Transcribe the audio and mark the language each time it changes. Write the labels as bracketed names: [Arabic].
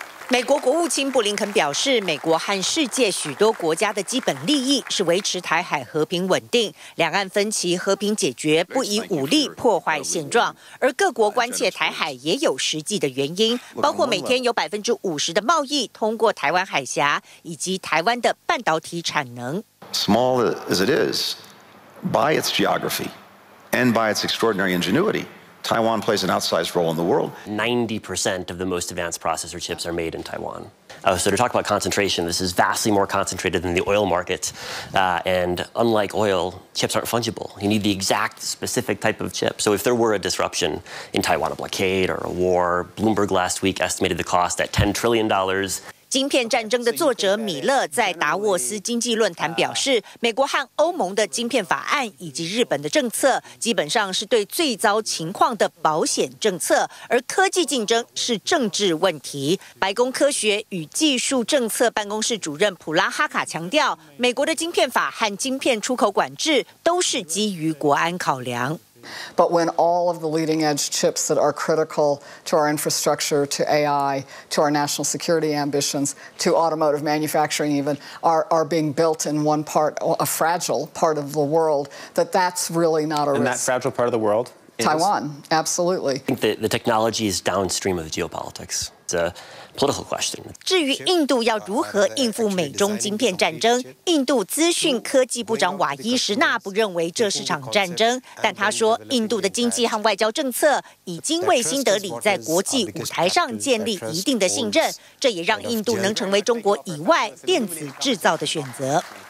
[Chinese] 美国国务卿布林肯表示，美国和世界许多国家的基本利益是维持台海和平稳定，两岸分歧和平解决，不以武力破坏现状。而各国关切台海也有实际的原因，包括每天有50%的贸易通过台湾海峡，以及台湾的半导体产能。 [English] Small as it is, by its geography and by its extraordinary ingenuity. Taiwan plays an outsized role in the world. 90% of the most advanced processor chips are made in Taiwan. So to talk about concentration, this is vastly more concentrated than the oil market. And unlike oil, chips aren't fungible. You need the exact specific type of chip. So if there were a disruption in Taiwan, a blockade or a war, Bloomberg last week estimated the cost at $10 trillion. [Chinese] 晶片战争的作者米勒在达沃斯经济论坛表示，美国和欧盟的晶片法案以及日本的政策基本上是对最糟情况的保险政策，而科技竞争是政治问题。白宫科学与技术政策办公室主任普拉哈卡强调，美国的晶片法和晶片出口管制都是基于国安考量。 [English] But when all of the leading edge chips that are critical to our infrastructure, to AI, to our national security ambitions, to automotive manufacturing even, are being built in one part, a fragile part of the world, that's really not a risk. In that fragile part of the world? Taiwan, absolutely. I think the technology is downstream of geopolitics. It's a political question. [Chinese] 至于印度要如何应付美中晶片战争，印度资讯科技部长瓦伊什纳不认为这是场战争，但他说，印度的经济和外交政策已经为新德里在国际舞台上建立一定的信任，这也让印度能成为中国以外电子制造的选择。